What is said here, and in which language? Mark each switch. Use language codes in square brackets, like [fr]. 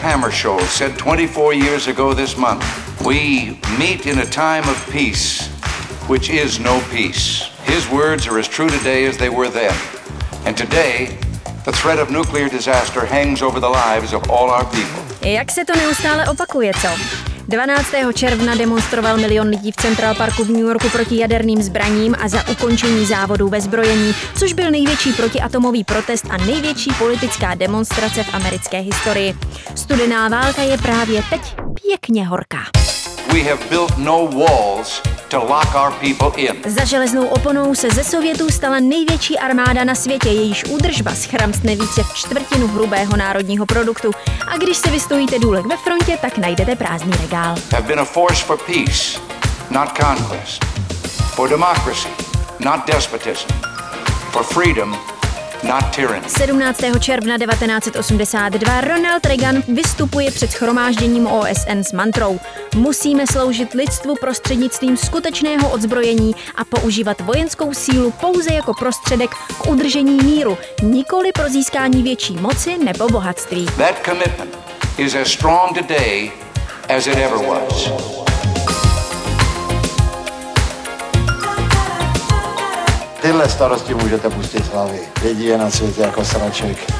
[en] Show said 24 years ago this month, we meet in a time of peace, which is no peace. His words are as true today as they were then. And today, the threat of nuclear disaster hangs over the lives of all our people. [cs] Jak se to neustále opakuje, co? 12. června demonstroval milion lidí v Central Parku v New Yorku proti jaderným zbraním a za ukončení závodů ve zbrojení, což byl největší protiatomový protest a největší politická demonstrace v americké historii. Studená válka je právě teď pěkně horká. [en] We have built no walls to lock our people in. [cs] Za železnou oponou se ze Sovětů stala největší armáda na světě, jejíž údržba schramstne více v čtvrtinu hrubého národního produktu. A když se vystojíte důlek ve frontě, tak najdete prázdný regál. [en] Have been a force for peace, not conquest. For democracy, not despotism. For freedom, not tyranny. [cs] 17. června 1982 Ronald Reagan vystupuje před shromážděním OSN s mantrou: musíme sloužit lidstvu prostřednictvím skutečného odzbrojení a používat vojenskou sílu pouze jako prostředek k udržení míru, nikoli pro získání větší moci nebo bohatství. [en] That commitment is as strong today as it ever was. [cs] Tyhle starosti můžete pustit z hlavy. Lidi je na světě jako sraček.